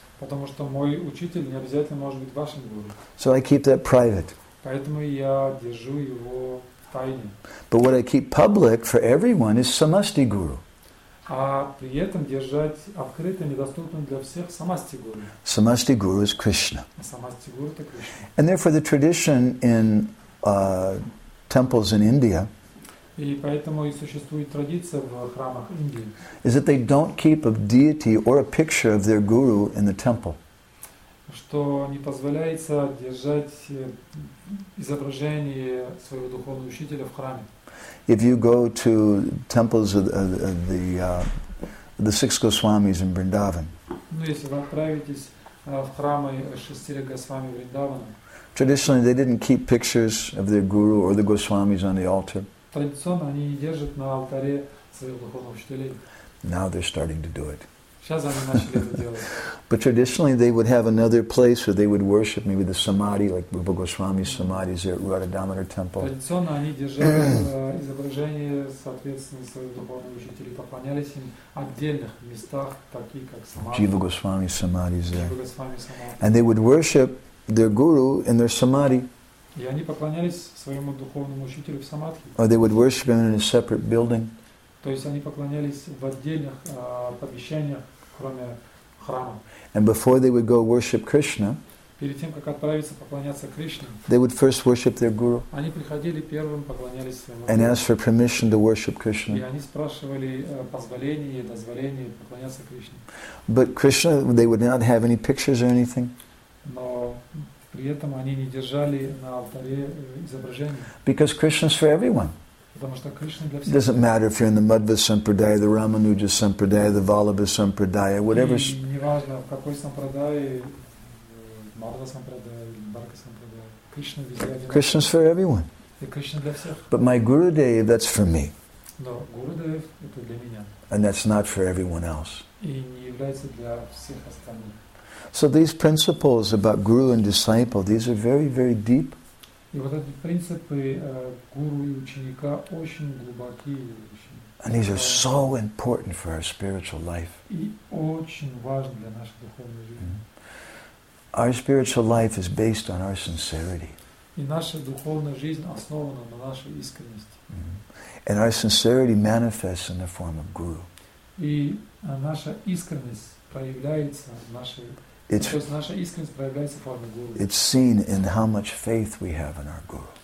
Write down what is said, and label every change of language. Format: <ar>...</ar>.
<ru>Потому что мой учитель не обязательно может быть вашим гуру.</ru> <en>So I keep that private.</en> <ru>Поэтому я держу его.</ru> <en>But what I keep public for everyone is Samasti Guru.</en> <ru>А при этом держать открытым и доступным для всех Самасти Гуру.</ru> <en>Самасти Гуру is Krishna.</en> <ru>Самасти Гуру это Кришна.</ru> <en>And therefore the tradition in temples in India.</en> <ru>И поэтому и существует традиция в храмах Индии.</ru> <en>Is that they don't keep a deity or a picture of their guru in the temple.</en> <ru>Что не позволяется держать изображение своего духовного учителя в храме.</ru> <en>If you go to temples of the six Goswamis in Vrindavan.</en> <ru>Ну если вы отправитесь в храмы шестеря Госвами Вриндавана.</ru> <en>Traditionally, they didn't keep pictures of their guru or the Goswamis on the altar.</en> <ru>Традиционно они не держат на алтаре своих духовных учителей.</ru> <en>Now they're starting to do it.</en> <ru>Сейчас они начали это делать.</ru> <en>But traditionally, they would have another place where they would worship, maybe the samadhi, like Rupa Goswami's samadhi is at Radha-Damodar temple.</en> <ru>Традиционно они держали изображение, соответственно, своих духовных учителей, поклонялись им в отдельных местах, такие как самадхи.</ru> <en>Jiva Goswami's samadhi is there. Jiva Goswami's samadhi. And they would worship their guru in their samadhi.</en> <ru>И они поклонялись своему духовному учителю в самадхи.</ru> <en>Or they would worship him in a separate building.</en> <ru>То есть они поклонялись в отдельных помещениях, кроме храма.</ru> <en>And before they would go worship Krishna,</en> <ru>перед тем как отправиться поклоняться Кришне,</ru> <en>they would first worship their guru.</en> <ru>Они приходили первым, поклонялись своему</ru> <en>guru. And ask for permission to worship Krishna.</en> <ru>И они спрашивали позволение, дозволение поклоняться Кришне.</ru> <en>But Krishna, they would not have any pictures or anything.</en> <ru>Но при этом они не держали на алтаре изображения.</ru> <en>Because Krishna's for everyone.</en> <ru>Потому что Кришна для всех.</ru> <en>It doesn't matter if you're in the Madhva Sampradaya, the Ramanuja Sampradaya, the Vallabha Sampradaya, whatever.</en> <ru>И неважно, в какой Сампрадае, Мадва Сампрадая или Барка Сампрадая. Кришна везде одинаковый.</ru> <en>Krishna's for everyone.</en> <ru>И Кришна для всех.</ru> <en>But my Gurudev, that's for me.</en> <ru>Но Гурудев это для меня.</ru> <en>And that's not for everyone else.</en> <ru>И не является для всех остальных.</ru> <en>So these principles about guru and disciple, these are very, very deep.</en> <ru>И вот эти принципы гуру и ученика очень глубокие.</ru> <en>And these are so important for our spiritual life.</en> <ru>И очень важны для нашей духовной жизни.</ru> <en>Our spiritual life is based on our sincerity.</en> <ru>И наша духовная жизнь основана на нашей искренности.</ru> <en>And our sincerity manifests in the form of guru.</en> <ru>И наша искренность проявляется в нашей</ru> <en>It's seen in how much faith we have in our Guru.</en>